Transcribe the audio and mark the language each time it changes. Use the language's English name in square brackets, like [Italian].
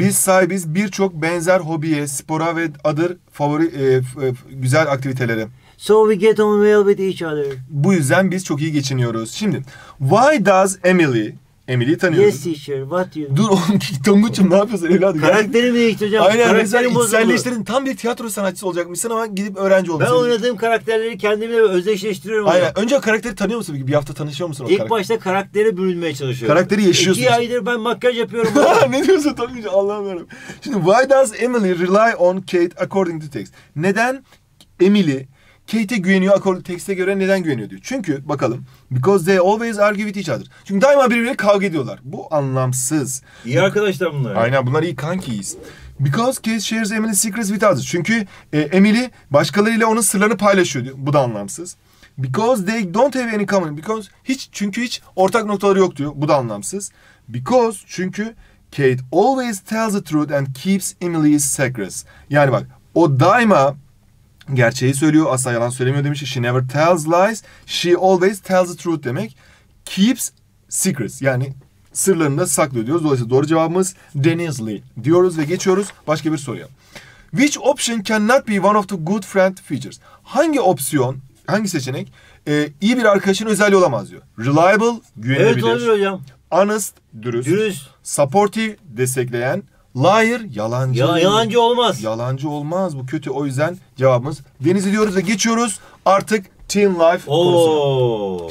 [Turkish] Biz sahibiz birçok benzer hobiye, spora ve other favori güzel aktivitelere. [English] So we get on well with each other. [Turkish] Bu yüzden biz çok iyi geçiniyoruz. Şimdi [English] why does Emily? [Turkish] Emily'yi tanıyoruz. [English] Yes teacher, what you? [Turkish] Dur oğlum, Tonguç'um ne yapıyorsun evladım? Karakterimi değiştireceğim. Aynen, karakterim bozuldu. İçselleştirdin. Tam bir tiyatro sanatçısı olacakmışsın ama gidip öğrenci olmuşsun. Ben oynadığım karakterleri kendimle özdeşleştiriyorum. Aynen, olarak. Önce karakteri tanıyor musun? Bir hafta tanışıyor musun? İlk başta karaktere bürünmeye çalışıyorum. Karakteri yaşıyorsun. 2 aydır ben makyaj yapıyorum. Ne diyorsun Tonguç? Allah'ım yarım. Şimdi, [English] why does Emily rely on Kate according to text? [Turkish] Neden Emily... Kate'e güveniyor, akorlu tekste göre neden güveniyor diyor. Çünkü bakalım. [English] Because they always argue with each other. [Turkish] Çünkü daima birbirine kavga ediyorlar. Bu anlamsız. İyi arkadaşlar bunlar. Aynen, bunlar iyi kankiyiz. [English] Because Kate shares Emily's secrets with others. [Turkish] Çünkü Emily başkalarıyla onun sırlarını paylaşıyor diyor. Bu da anlamsız. [English] Because they don't have any common. [Turkish] Çünkü hiç ortak noktaları yok diyor. Bu da anlamsız. [English] Because [Turkish] çünkü [English] Kate always tells the truth and keeps Emily's secrets. [Turkish] Yani bak, o daima gerçeği söylüyor, asla yalan söylemiyor demiş. [English] She never tells lies, she always tells the truth [Turkish] demek. [English] Keeps secrets, [Turkish] yani sırlarını da saklıyor diyoruz. Dolayısıyla doğru cevabımız Denizli diyoruz ve geçiyoruz başka bir soruya. [English] Which option cannot be one of the good friend features? [Turkish] Hangi opsiyon, hangi seçenek iyi bir arkadaşın özelliği olamaz diyor. Reliable, güvenebilir. Evet, olabilir hocam. Honest, dürüst. Dürüst. Supportive, destekleyen. Liar, yalancı. Yalancı olmaz. Yalancı olmaz. Bu kötü. O yüzden cevabımız Denizli diyoruz ve geçiyoruz artık Teen Life konusuna.